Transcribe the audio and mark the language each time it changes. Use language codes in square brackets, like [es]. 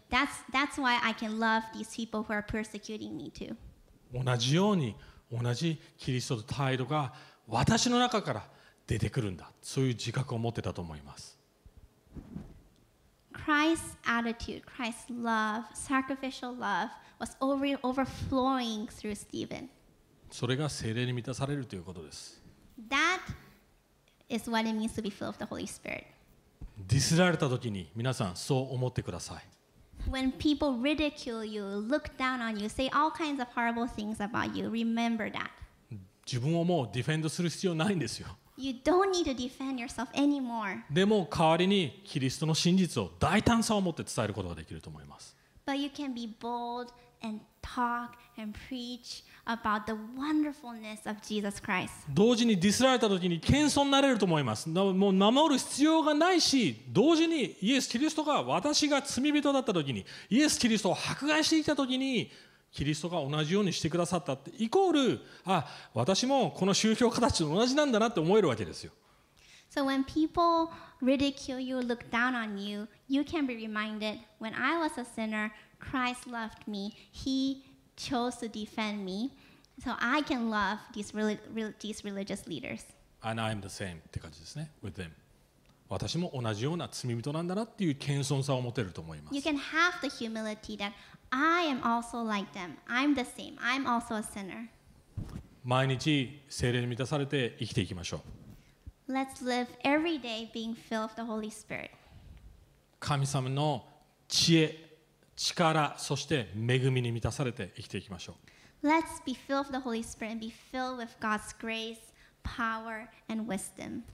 [en] That's why I can love these people who are persecuting me too. [ja] 同じように同じキリストの態度が私の中から出てくるんだ、そういう自覚を持ってたと思います。 [en] Christ's attitude, Christ's love, sacrificial love was overflowing through Stephen. [ja] それが聖霊に満たされるということです。 [en] That is what it means to be filled with the Holy Spirit. [ja] ディスられた時に皆さんそう思ってください。 [en] When people ridicule you, look down on you, say all kinds of horrible things about you, remember that. [ja] 自分をもうディフェンドする必要ないんですよ。 [en] You don't need to defend yourself anymore. [ja] でも代わりにキリストの真実を大胆さを持って伝えることができると思います。 [en] But you can be bold and talk and preach about the wonderfulness of Jesus Christ. [ja] 同時にディスられた時に謙遜になれると思います。もう守る必要がないし、同時にイエス・キリストが私が罪人だった時に、イエス・キリストを迫害していた時に、キリストが同じようにしてくださったって、イコール、あ、私もこの宗教家たちと同じなんだなって思えるわけですよ。 [en] So when people ridicule you, look down on you, you can be reminded, when I was a sinner, Christ loved me. He chose to defend me. So I can love these religious leaders. And I'm the same [ja] って感じですね、 [en] with them. [ja] 私も同じような罪人なんだなっていう謙遜さを持てると思います。 [en] You can have the humility that I am also like them. I'm the same. I'm also a sinner. [ja] 毎日聖霊に満たされて生きていきましょう。 [en] Let's live every day being filled with the Holy Spirit. [ja] 神様の知恵、力、そして恵みに満たされて生きていきましょう。 [en] Let's be filled with the Holy Spirit and be filled with God's grace, power, and wisdom.